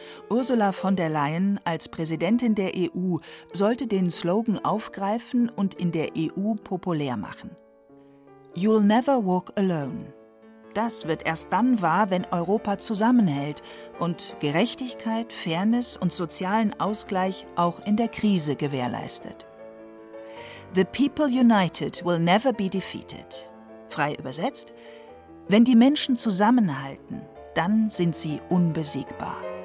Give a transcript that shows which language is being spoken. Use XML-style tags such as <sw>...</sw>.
<de>Ursula von der Leyen als Präsidentin der EU sollte den Slogan aufgreifen und in der EU populär machen.</de> <en>You'll never walk alone.</en> <de>Das wird erst dann wahr, wenn Europa zusammenhält und Gerechtigkeit, Fairness und sozialen Ausgleich auch in der Krise gewährleistet.</de> <en>The people united will never be defeated.</en> <de>Frei übersetzt: Wenn die Menschen zusammenhalten, dann sind sie unbesiegbar.</de>